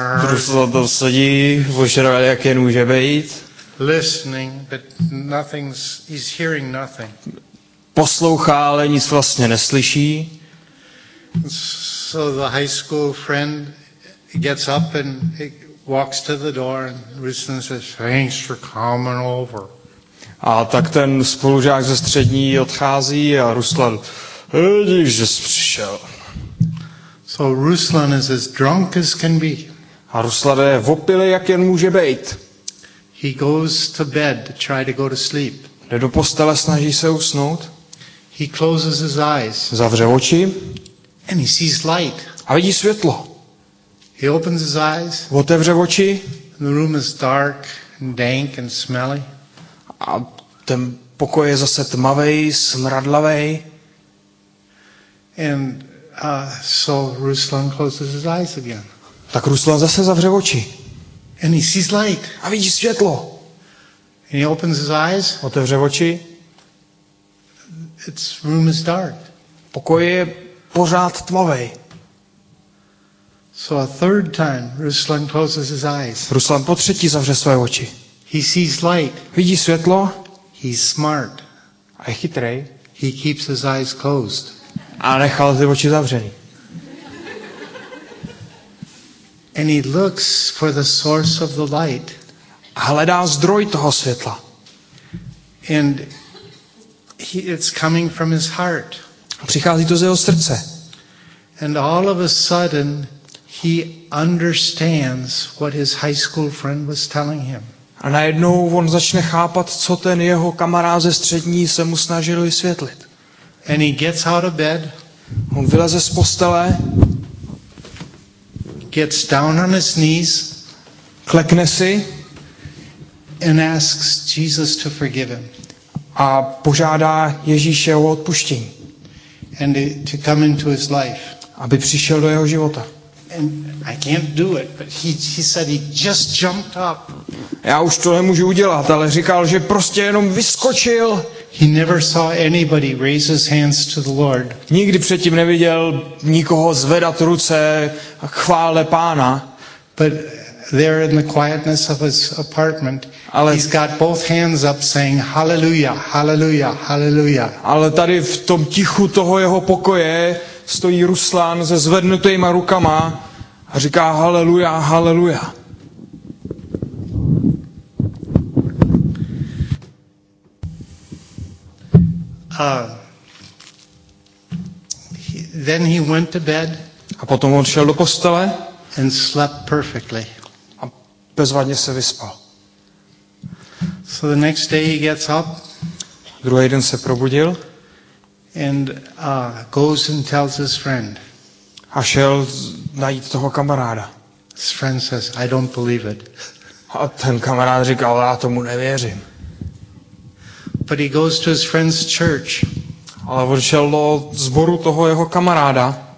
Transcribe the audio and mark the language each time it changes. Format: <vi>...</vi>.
<cs>Ruslan tam sedí, ožral, jak jen může být.</cs> <en>Listening, but nothing's, he's hearing nothing.</en> <cs>Poslouchá, ale nic vlastně neslyší.</cs> <en>So the high school friend gets up and walks to the door and Ruslan says, thanks for coming over.</en> <cs>A tak ten spolužák ze střední odchází a Ruslan, dík, že jsi přišel.</cs> <en>So Ruslan is as drunk as can be.</en> <cs>A Ruslan je opilý, jak jen může být.</cs> <en>He goes to bed to try to go to sleep.</en> <cs>Jde do postele, snaží se usnout.</cs> <en>He closes his eyes.</en> <cs>Zavře oči.</cs> <en>And he sees light.</en> <cs>A vidí světlo.</cs> <en>He opens his eyes.</en> <cs>Otevře oči.</cs> <en>And the room is dark and dank and smelly.</en> <cs>A ten pokoj je zase tmavej, smradlavej.</cs> <en>And so Ruslan closes his eyes again.</en> <cs>Tak Ruslan zase zavře oči.</cs> <en>And he sees light.</en> <cs>A vidí světlo.</cs> <en>And he opens his eyes.</en> <cs>Otevře oči.</cs> <en>It's room is dark.</en> <cs>Pokoj je pořád tmavej.</cs> <en>So a third time Ruslan closes his eyes.</en> <cs>Ruslan po třetí zavře své oči.</cs> <en>He sees light.</en> <cs>Vidí světlo.</cs> <en>He's smart.</en> <cs>A je chytrý.</cs> <en>He keeps his eyes closed.</en> <cs>A nechal ty oči zavřený.</cs> <en>And he looks for the source of the light.</en> <cs>A hledá zdroj toho světla.</cs> <en>And it's coming from his heart.</en> <cs>Přichází to z jeho srdce.</cs> <en>And all of a sudden he understands what his high school friend was telling him.</en> <cs>A najednou on začne chápat, co ten jeho kamarád ze střední se mu snažil vysvětlit.</cs> <en>And he gets out of bed.</en> <cs>On vyleze z postele.</cs> <en>Gets down on his knees.</en> <cs>Klekne si.</cs> <en>And asks Jesus to forgive him.</en> <cs>A požádá Ježíše o odpuštění.</cs> <en>And to come into his life.</en> <cs>Aby přišel do jeho života.</cs> <en>And I can't do it, but he said he just jumped up.</en> <cs>Já už to nemůžu udělat, ale říkal, že prostě jenom vyskočil.</cs> <en>He never saw anybody raise his hands to the Lord.</en> <cs>Nikdy předtím neviděl nikoho zvedat ruce a chvále Pána.</cs> <en>But there in the quietness of his apartment,</en> <cs>ale</cs> <en>he's got both hands up saying hallelujah, hallelujah, hallelujah.</en> <cs>Ale tady v tom tichu toho jeho pokoje stojí Ruslan se zvednutýma rukama a říká hallelujah, hallelujah.</cs> <en>Then he went to bed.</en> <cs>A potom on šel do postele.</cs> <en>And slept perfectly.</en> <cs>A bezvadně se vyspal.</cs> <en>So the next day he gets up.</en> <cs>Druhý den se probudil.</cs> <en>And goes and tells his friend.</en> <cs>A šel najít toho kamaráda.</cs> <en>His friend says, I don't believe it.</en> <cs>A ten kamarád říkal, já tomu nevěřím.</cs> <en>But he goes to his friend's church.</en> <cs>Ale odšel do sboru toho jeho kamaráda.</cs>